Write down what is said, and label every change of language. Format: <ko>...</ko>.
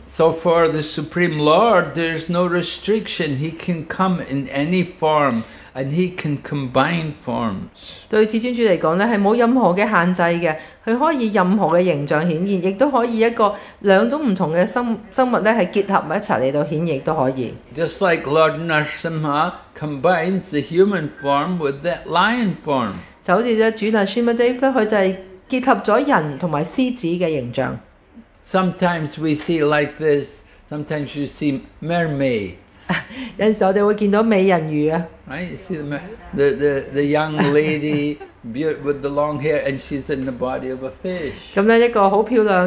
<en>So for the Supreme Lord, there's no restriction. He can come in any form, and he can combine forms.</en> <zh>對至尊主來說，是沒有任何的限制的。他可以任何的形象顯現，也可以一個兩種不同的生物結合在一起來顯現，也可以。</zh> <en>Just like Lord Narasimha combines the human form with the lion form.</en> <zh>就好像主Narasimha Dev，他就是結合了人和獅子的形象。</zh> <en>Sometimes we see like this, sometimes you see mermaids.</en> <zh>有時候我們會見到美人魚。</zh> <en>Right, you see the young lady with the long hair and she's in the body of a fish.</en>